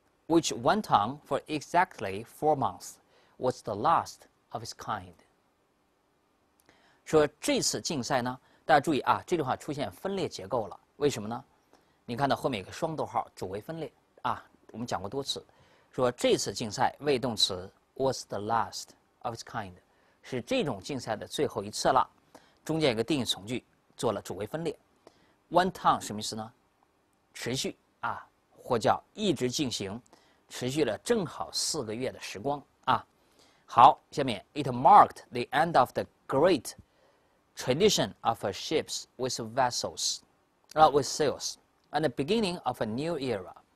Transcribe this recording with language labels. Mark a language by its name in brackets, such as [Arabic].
[English] Which went on for exactly 4 months, was the last of its kind. [Chinese] 说这次竞赛呢，大家注意啊，这句话出现分裂结构了。为什么呢？你看到后面有个双逗号，主谓分裂啊。我们讲过多次，说这次竞赛谓动词 [English] was the last of its kind， [Chinese] 是这种竞赛的最后一次了。中间有个定语从句，做了主谓分裂。 [English] Went on [Chinese] 什么意思呢？持续啊。或叫一直进行，持续了正好4个月的时光啊。好，下面 [English] it marked the end of the great tradition of ships with vessels, with sails, and the beginning of a new era.